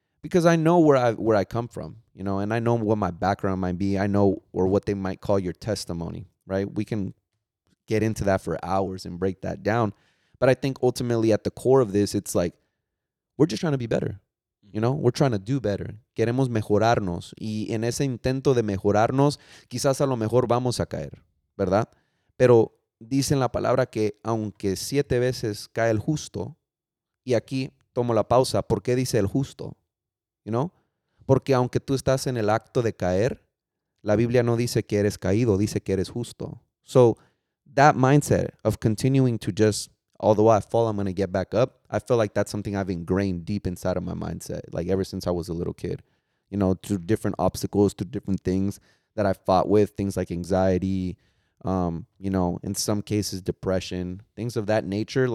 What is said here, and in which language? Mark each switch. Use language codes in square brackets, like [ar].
[en] because I know where I come from, you know, and I know what my background might be. I know, or what they might call your testimony, right? We can get into that for hours and break that down. But I think ultimately at the core of this, it's like, we're just trying to be better. You know, we're trying to do better. [es] Queremos mejorarnos. Y en ese intento de mejorarnos, quizás a lo mejor vamos a caer, ¿verdad? Pero dicen la palabra que aunque siete veces cae el justo, y aquí tomo la pausa, ¿por qué dice el justo? [en] You know? [es] Porque aunque tú estás en el acto de caer, la Biblia no dice que eres caído, dice que eres justo. [en] So that mindset of continuing to just, although I fall, I'm going to get back up. I feel like that's something I've ingrained deep inside of my mindset, like ever since I was a little kid, you know, through different obstacles, through different things that I fought with, things like anxiety, you know, in some cases, depression, things of that nature.